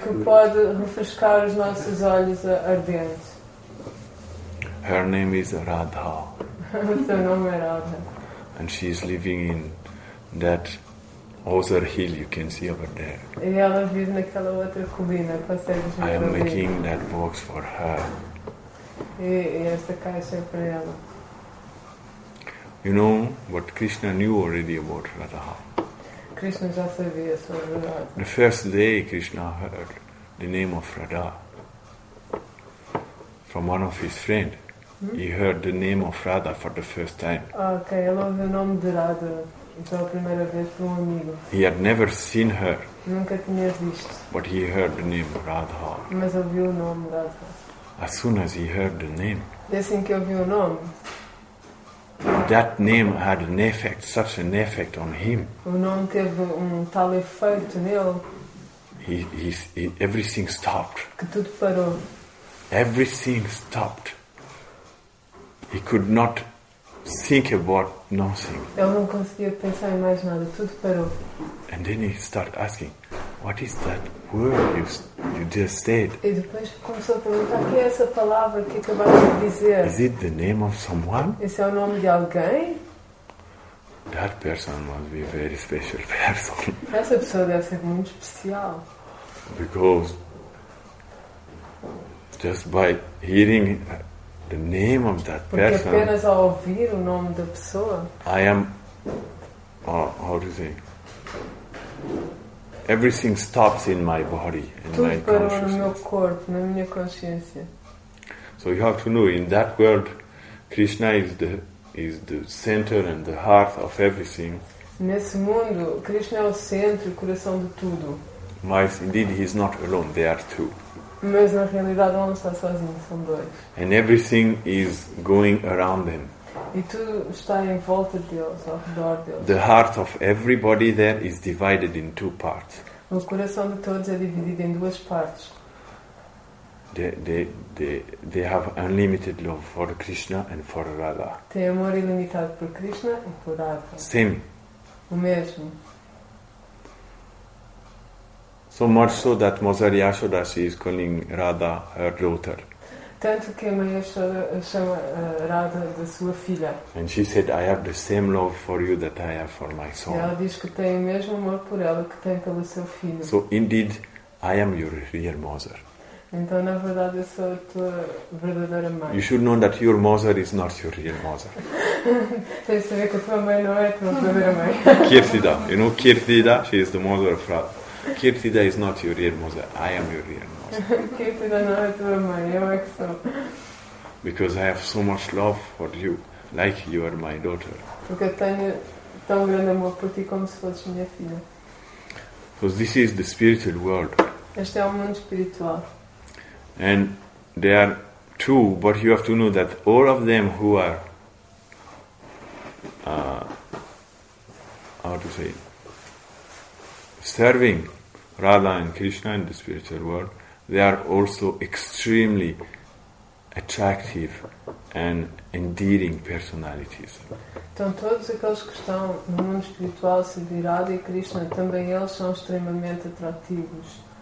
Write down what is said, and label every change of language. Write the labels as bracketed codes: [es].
[pt] Que pode refrescar os nossos olhos ardentes. [en] Her name is Radha. [pt] O seu nome é Radha. [en] And she is living in that other hill you can see over there. [pt] E ela vive naquela outra colina. Consegues ver? [en] I am making that box for her. [pt] E esta caixa é para ela. [en] You know what Krishna knew already about Radha. [pt] Krishna já sabia sobre Radha. [en] The first day Krishna heard the name of Radha from one of his friends. Hmm? He heard the name of Radha for the first time. [pt] Okay, ele ouviu o nome de Radha pela primeira vez por amigo. [en] He had never seen her. [pt] Nunca tinha visto. [en] But he heard the name Radha. [pt] Mas ouviu o nome Radha. [en] As soon as he heard the name. [pt] E assim que ouviu o nome. [en] That name had an effect, such an effect on him. [pt] O nome teve tal efeito nele. [en] He everything stopped. [pt] Que tudo parou. [en] Everything stopped. He could not think about nothing. [pt] Ele não conseguia pensar em mais nada. Tudo parou. [en] And then he started asking, "What is that word you just said?" [pt] E depois começou a perguntar, "Que é essa palavra que acabaste de dizer?" [en] Is it the name of someone? [pt] Esse é o nome de alguém? [en] That person must be a very special person. [pt] Essa pessoa deve ser muito especial. [en] Because just by hearing the name of that person, [pt] porque apenas ao ouvir o nome da pessoa, [en] I am, how do you say, everything stops in my body, in [pt] tudo [en] my consciousness. [pt] Tudo para o meu corpo, na minha consciência. [en] So you have to know, in that world, Krishna is the center and the heart of everything. [pt] Nesse mundo, Krishna é o centro, o coração de tudo. [en] But indeed, he is not alone. They are two. [pt] Mas na realidade, não está sozinho. São dois. [en] And everything is going around them. [pt] E tudo está em volta deles, ao redor deles. [en] The heart of everybody there is divided in two parts. [pt] O coração de todos é dividido em duas partes. [en] They have unlimited love for Krishna and for Radha. [pt] Tem amor ilimitado por Krishna e por Radha. [en] Same. [pt] O mesmo. [en] So much so that Mother Yashoda, she is calling Radha her daughter. [pt] Tanto que a mãe chama Radha de sua filha. [en] And she said, I have the same love for you that I have for my son. [pt] E ela diz que tem o mesmo amor por ela que tem pelo seu filho. [en] So indeed, I am your real mother. [pt] Então, na verdade, eu sou a tua verdadeira mãe. [en] You should know that your mother is not your real mother. [pt] Tens de saber que a tua mãe não é a tua verdadeira mãe. [en] Kirtida. You know Kirtida? She is the mother of Radha. Kirtida is not your real mother. I am your real mother. [pt] Kirtida não é a tua mãe. Eu é que sou. [en] Because I have so much love for you, like you are my daughter. [pt] Porque eu tenho tão grande amor por ti como se fosse minha filha. [en] So this is the spiritual world. [pt] Este é o mundo espiritual. [en] And they are two, but you have to know that all of them who are, how to say, serving Radha and Krishna in the spiritual world, they are also extremely attractive and endearing personalities. [pt] Então todos aqueles que estão no mundo espiritual, servir Radha e Krishna, também eles são extremamente atrativos.